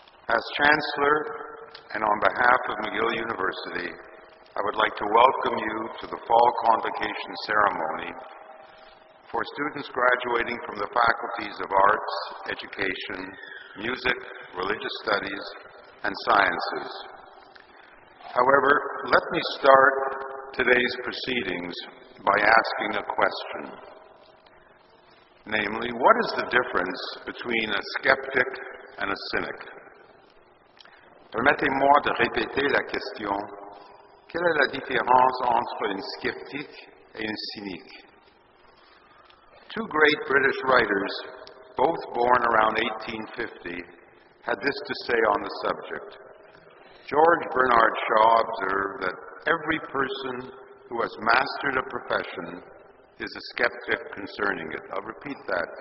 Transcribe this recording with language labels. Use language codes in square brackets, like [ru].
[en] As Chancellor, and on behalf of McGill University, I would like to welcome you to the fall convocation ceremony for students graduating from the faculties of arts, education, music, religious studies, and sciences. However, let me start today's proceedings by asking a question. Namely, what is the difference between a skeptic and a cynic? [fr] Permettez-moi de répéter la question. Quelle est la différence entre une skeptique et une cynique? [en] Two great British writers, both born around 1850, had this to say on the subject. George Bernard Shaw observed that every person who has mastered a profession is a skeptic concerning it. I'll repeat that.